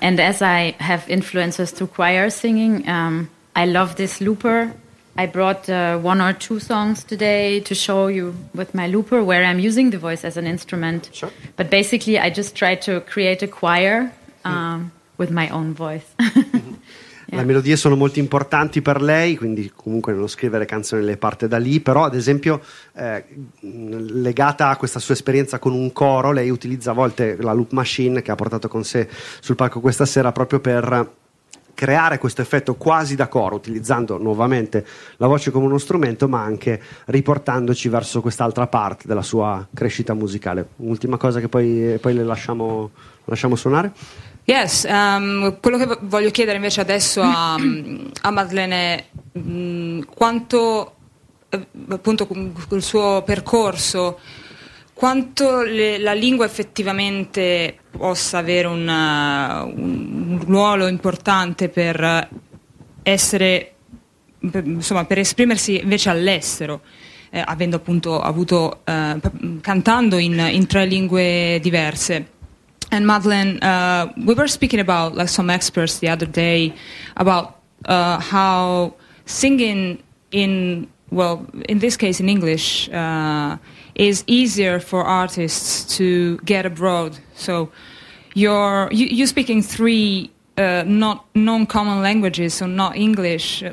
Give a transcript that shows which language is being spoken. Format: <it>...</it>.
<en>And as I have influences through choir singing, I love this looper. I brought one or two songs today to show you with my looper where I'm using the voice as an instrument. Sure. But basically I just try to create a choir with my own voice. Mm-hmm.</en> <it>Le melodie sono molto importanti per lei, quindi comunque nello scrivere canzoni le parte da lì, però ad esempio legata a questa sua esperienza con un coro, lei utilizza a volte la loop machine che ha portato con sé sul palco questa sera proprio per creare questo effetto quasi da coro, utilizzando nuovamente la voce come uno strumento, ma anche riportandoci verso quest'altra parte della sua crescita musicale. Un'ultima cosa che poi le lasciamo suonare? Yes, quello che voglio chiedere invece adesso a Madeleine è quanto appunto col suo percorso, quanto la lingua effettivamente possa avere un ruolo importante per essere, insomma, per esprimersi invece all'estero, avendo appunto avuto cantando in tre lingue diverse.</it> <en>And Madeleine, we were speaking about, like, some experts the other day about how singing in this case in English is easier for artists to get abroad. So you're speaking three not non-common languages, so not English.</en>